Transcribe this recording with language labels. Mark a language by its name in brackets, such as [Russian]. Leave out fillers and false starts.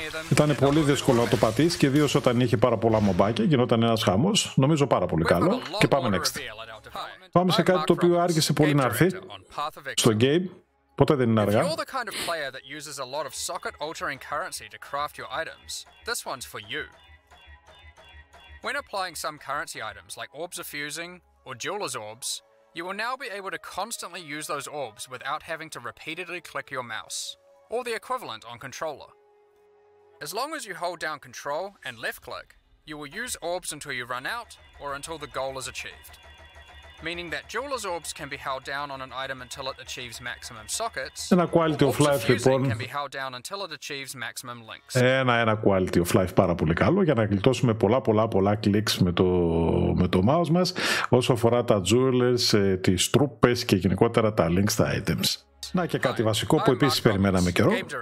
[Greek] Ήταν πολύ δύσκολο να το πατήσεις, και ιδίως όταν είχε πάρα πολλά μομπάκια, γινόταν ένας χαμός. Νομίζω πάρα πολύ καλό. Και πάμε next. Πάμε σε κάτι το οποίο άργησε πολύ να έρθει. Στο game. Ποτέ δεν είναι αργά. [English] If you're the kind of player that uses a lot of socket altering currency to craft your items, this one's for you. When applying some currency items like orbs of fusing or jeweler's orbs, you will now be able to constantly use those orbs without having to repeatedly click your mouse or the equivalent on controller. As long as you hold down control and left click, you will use orbs until you run out or until the goal is achieved. Meaning that jeweler's orbs can be held down on an item until it achieves maximum sockets. [Greek] Ένα quality of life λοιπόν. [English] Can be held down until it achieves maximum links. [Greek] Ένα quality of life πάρα πολύ καλό για να γλιτώσουμε πολλά clicks με το mouse μας όσο αφορά τα jewelers, τις τρούπες και γενικότερα τα links, τα items. Να και κάτι βασικό που επίσης περιμέναμε καιρό.